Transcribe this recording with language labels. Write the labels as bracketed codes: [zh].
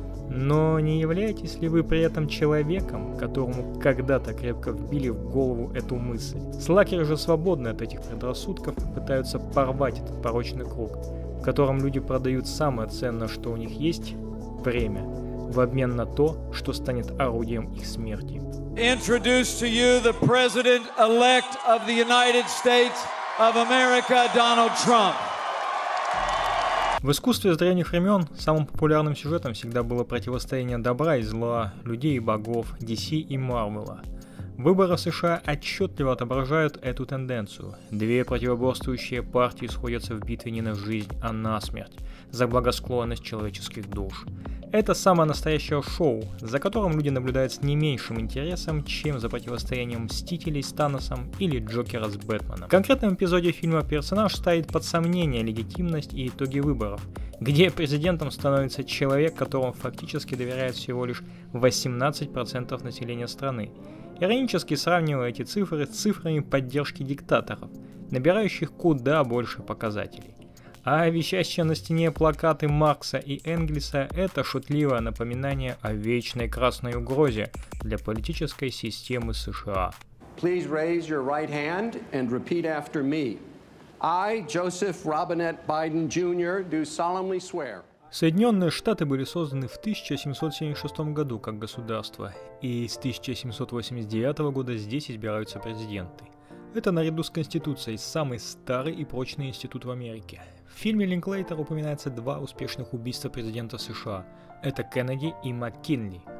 [ru] Но не являетесь ли вы при этом человеком, которому когда-то крепко вбили в голову эту мысль? Слакеры же свободны от этих предрассудков и пытаются порвать этот порочный круг, в котором люди продают самое ценное, что у них есть – время, в обмен на то, что станет орудием их смерти. [en] Introduce to you the president-elect of the United States of America, Donald Trump. [ru] В искусстве с древних времен самым популярным сюжетом всегда было противостояние добра и зла, людей и богов, DC и Марвела. Выборы в США отчетливо отображают эту тенденцию. Две противоборствующие партии сходятся в битве не на жизнь, а на смерть, за благосклонность человеческих душ. Это самое настоящее шоу, за которым люди наблюдают с не меньшим интересом, чем за противостоянием Мстителей с Таносом или Джокера с Бэтменом. В конкретном эпизоде фильма персонаж ставит под сомнение легитимность и итоги выборов, где президентом становится человек, которому фактически доверяет всего лишь 18% населения страны. Иронически сравнивая эти цифры с цифрами поддержки диктаторов, набирающих куда больше показателей. А висящие на стене плакаты Маркса и Энгельса – это шутливое напоминание о вечной красной угрозе для политической системы США. [en] Please raise your right hand and repeat after me. I, Joseph Robinette Biden Jr., do solemnly swear. [ru] Соединенные Штаты были созданы в 1776 году как государство, и с 1789 года здесь избираются президенты. Это наряду с Конституцией самый старый и прочный институт в Америке. В фильме Линклейтер упоминается два успешных убийства президента США. Это Кеннеди и МакКинли.